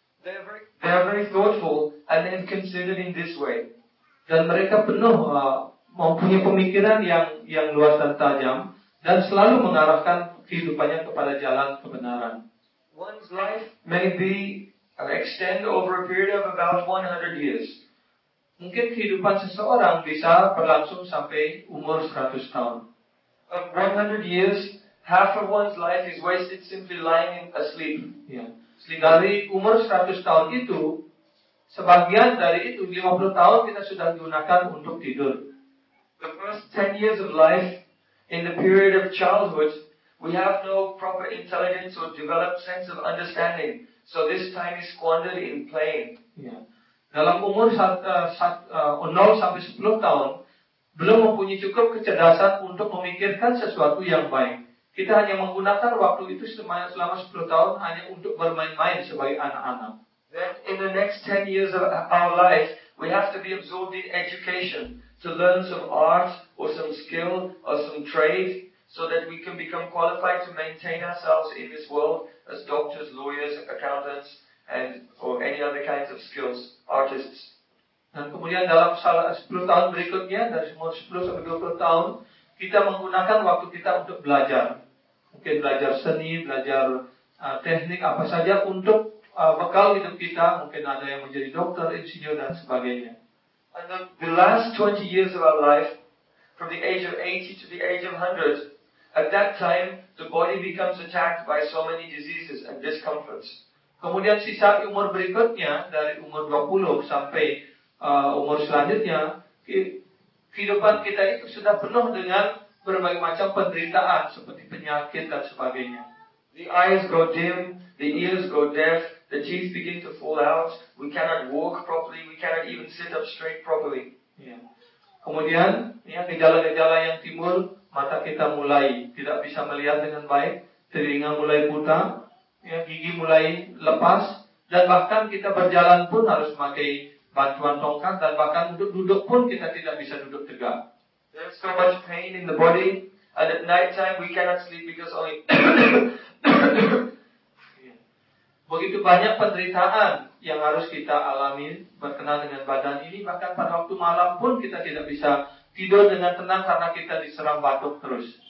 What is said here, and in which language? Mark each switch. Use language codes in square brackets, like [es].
[en] They are very thoughtful and then considered in this way. [id] Dan mereka penuh mempunyai pemikiran yang luas dan tajam dan selalu mengarahkan kehidupannya kepada jalan kebenaran. [en] One's life may be extend over a period of about 100 years. [id] Mungkin kehidupan seseorang bisa berlangsung sampai umur 100 tahun. [en] Of 100 years, half of one's life is wasted simply lying asleep. [id] Dari umur 100 tahun itu, sebagian dari itu 50 tahun kita sudah gunakan untuk tidur. [en] The first 10 years of life, in the period of childhood, we have no proper intelligence or developed sense of understanding. So this time is squandered in playing. [id] Dalam umur 0 sampai 10 tahun, belum mempunyai cukup kecerdasan untuk memikirkan sesuatu yang baik. Kita hanya menggunakan waktu itu selama 10 tahun hanya untuk bermain-main sebagai anak-anak. [en] Then in the next 10 years of our lives, we have to be absorbed in education to learn some art or some skill or some trade so that we can become qualified to maintain ourselves in this world as doctors, lawyers, accountants, and or any other kinds of skills, artists. [id] Dan kemudian dalam 10 tahun berikutnya, dari umur 10 sampai 20 tahun, kita menggunakan waktu kita untuk belajar. Mungkin belajar seni, belajar teknik, apa saja untuk bekal hidup kita. Mungkin ada yang menjadi dokter, insinyur, dan sebagainya. [en] And the last 20 years of our life, from the age of 80 to the age of 100, at that time, the body becomes attacked by so many diseases and discomforts. [id] Kemudian sisa umur berikutnya, dari umur 20 sampai umur selanjutnya, kehidupan kita itu sudah penuh dengan berbagai macam penderitaan seperti penyakit dan sebagainya. [en] The eyes go dim, the ears go deaf, the teeth begin to fall out, we cannot walk properly, we cannot even sit up straight properly. [id] Kemudian, gejala-gejala yang timbul, mata kita mulai tidak bisa melihat dengan baik, telinga mulai buta, gigi mulai lepas, dan bahkan kita berjalan pun harus memakai bantuan tongkat, dan bahkan untuk duduk pun kita tidak bisa duduk tegak. [en] There's so much pain in the body, and at night time we cannot sleep because only... [id] Begitu banyak penderitaan yang harus kita alami berkenaan dengan badan ini, bahkan pada waktu malam pun kita tidak bisa tidur dengan tenang karena kita diserang batuk terus.